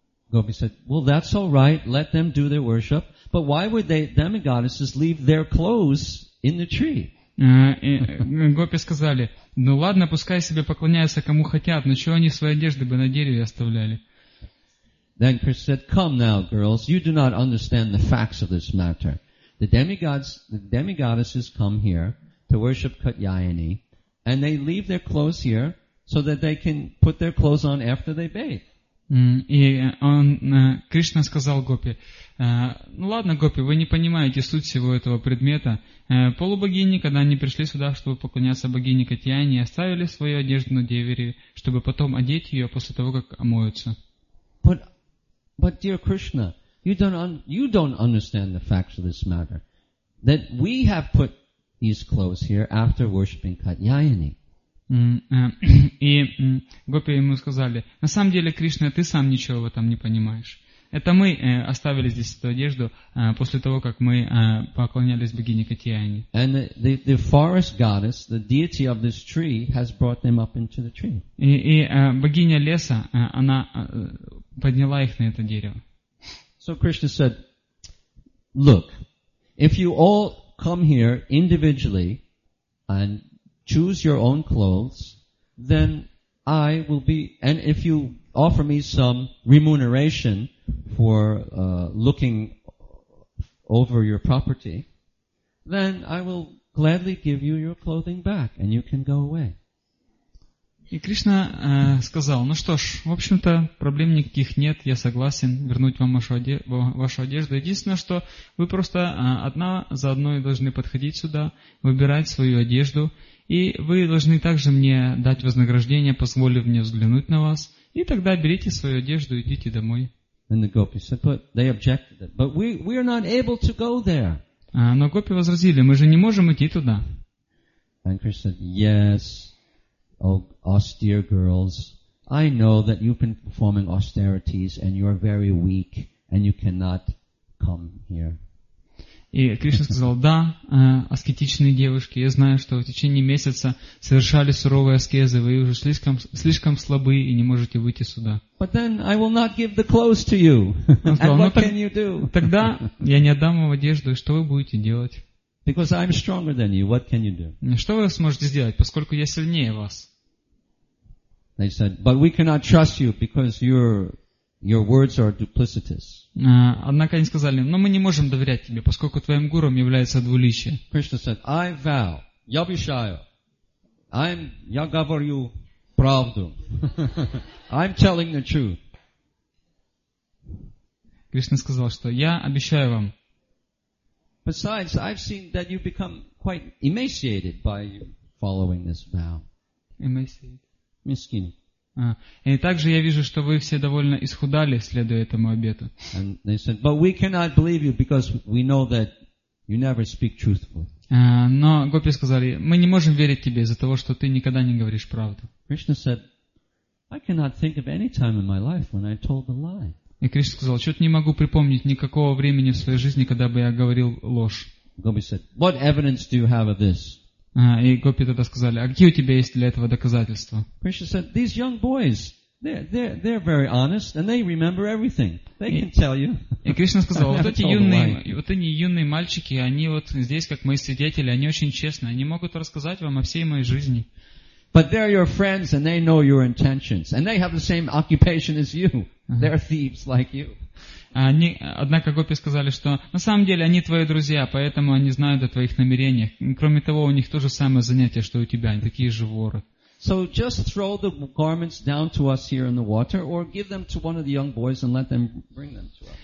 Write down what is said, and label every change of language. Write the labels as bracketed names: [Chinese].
[English] Gopi said, well, that's all right, let them do their worship, but why would they, demigoddesses, leave their clothes in the tree? [Russian] Гопи сказали, ну ладно, пускай себе поклоняются кому хотят, но чего они свои одежды бы на дереве оставляли? [English] Then Krishna said, come now, girls, you do not understand the facts of this matter. The demigoddesses come here to worship Katyayani, and they leave their clothes here so that they can put their clothes on after they bathe. [Russian] И он, Кришна сказал Гопи, ну ладно, Гопи, вы не понимаете суть всего этого предмета. Полубогини, когда они пришли сюда, чтобы поклоняться богине Катьяне, оставили свою одежду на дереве, чтобы потом одеть ее после того, как омоются. [English] But dear Krishna, you don't understand the facts of this matter, that we have put these clothes here after worshipping Katyayani. [Russian] И Гопи ему сказали, на самом деле, Кришна, ты сам ничего в этом не понимаешь. Это мы оставили здесь эту одежду после того, как мы поклонялись богине Катьяни. [English] And the forest goddess, the deity of this tree, has brought them up into the tree. [Russian] И богиня леса, она подняла их на это дерево. [English] So Krishna said, look, if you all come here individually and choose your own clothes, then I will be, and if you offer me some remuneration for looking over your property, then I will gladly give you your clothing back, and you can go away. [Russian] И Кришна сказал, ну что ж, в общем-то, проблем никаких нет, я согласен вернуть вам вашу одежду. Единственное, что вы просто одна за одной должны подходить сюда, выбирать свою одежду, и вы должны также мне дать вознаграждение, позволив мне взглянуть на вас, и тогда берите свою одежду и идите домой. [English] And the gopis said, but they objected, but we are not able to go there. [Russian] Но гопи возразили, мы же не можем идти туда. [English] And Krishna said, yes. Oh, austere girls, I know that you've been performing austerities and you're very weak and you cannot come here. [Russian] И Кришна сказал, да, аскетичные девушки, я знаю, что в течение месяца совершали суровые аскезы, вы уже слишком слабы и не можете выйти сюда. [English] But then I will not give the clothes to you. And what can you do? [Russian] Тогда я не отдам вам одежду, что вы будете делать? [English] Because I'm stronger than you, what can you do? [Russian] Что вы сможете сделать, поскольку я сильнее вас? [English] They said, but we cannot trust you because your words are duplicitous. [Russian] Однако они сказали, но мы не можем доверять тебе, поскольку твоим гуру является двуличие. [English] Krishna said, I vow, [Russian] я обещаю, я говорю правду. [English] I'm telling the truth. [Russian] Кришна сказал, что я обещаю вам. [English] Besides, I've seen that you become quite emaciated by following this vow. Emaciated. [Russian] Мискин. И также я вижу, что вы все довольно исхудали, следуя этому обету. [English] And they said, but we cannot believe you because we know that you never speak truthfully. [Russian] Но гопи сказали, мы не можем верить тебе из-за того, что ты никогда не говоришь правду. [English] Krishna said, I cannot think of any time in my life when I told a lie. [Russian] И Кришна сказал, что-то не могу припомнить никакого времени в своей жизни, когда бы я говорил ложь. [English] Gopi said, what evidence do you have of this? [Russian] И гопи тогда сказали, а какие у тебя есть для этого доказательства? [English] Krishna said, these young boys, they're very honest and they remember everything. They can tell you. [Russian] И Кришна сказал, вот эти юные мальчики, они вот здесь, как мои свидетели, они очень честны, они могут рассказать вам о всей моей жизни. [English] But they're your friends and they know your intentions. And they have the same occupation as you. They're thieves like you. [Russian] Однако гопи сказали, что на самом деле они твои друзья, поэтому они знают о твоих намерениях. Кроме того, у них то же самое занятие, что у тебя. Они такие же воры. [English] So just throw the garments down to us here in the water or give them to one of the young boys and let them bring them to us.